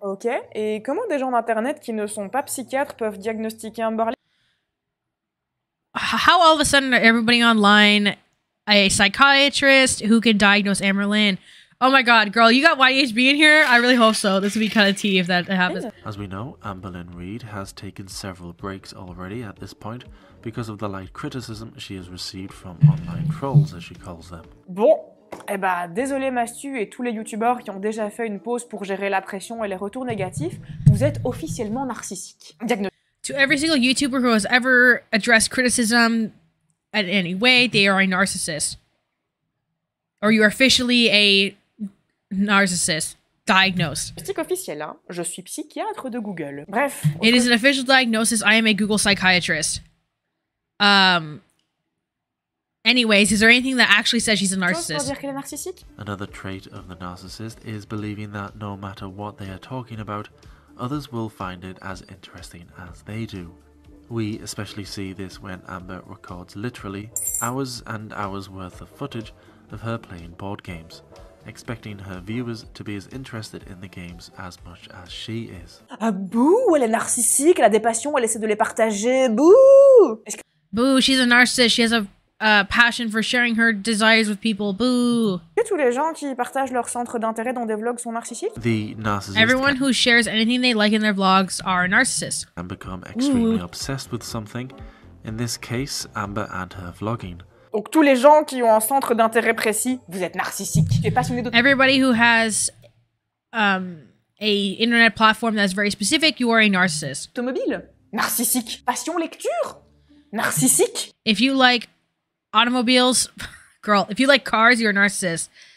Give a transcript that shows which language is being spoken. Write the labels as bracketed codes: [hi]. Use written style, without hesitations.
[fr] Ok, et comment des gens d'internet qui ne sont pas psychiatres peuvent diagnostiquer Amberlynn? [en] How all of a sudden are everybody online a psychiatrist who can diagnose Amberlynn? Oh my god, girl, you got YHB in here? I really hope so. This would be kind of tea if that happens. As we know, Amberlynn Reid has taken several breaks already at this point because of the light criticism she has received from online trolls, as she calls them. [fr] Bon, eh bah, désolé Mastu et tous les youtubeurs qui ont déjà fait une pause pour gérer la pression et les retours négatifs, vous êtes officiellement narcissique. [en] Diagnose. To every single youtuber who has ever addressed criticism in any way, they are a narcissist. Or you're officially a narcissist diagnosed. [fr] Diagnostic officiel, hein? Je suis psychiatre de Google. Bref. [en] It is an official diagnosis. I am a Google psychiatrist. Anyways, is there anything that actually says she's a narcissist? Another trait of the narcissist is believing that no matter what they are talking about, others will find it as interesting as they do. We especially see this when Amber records literally hours and hours worth of footage of her playing board games, expecting her viewers to be as interested in the games as much as she is. [fr] Ah, boo, elle est narcissique, elle a des passions, elle essaie de les partager, boo! [en] Boo, she's a narcissist, she has a passion for sharing her desires with people, boo! [fr] Et tous les gens qui partagent leur centre d'intérêt dans des vlogs sont narcissiques? [en] The narcissist. Everyone who shares anything they like in their vlogs are narcissists. And become extremely obsessed with something, in this case, Amber and her vlogging. [fr] Donc tous les gens qui ont un centre d'intérêt précis, vous êtes narcissique. Tu es passionné de... [en] Everybody who has a internet platform that's very specific, you are a narcissist. [fr] Automobile, narcissique. Passion lecture, narcissique. [en] If you like automobiles, girl, if you like cars, you're a narcissist.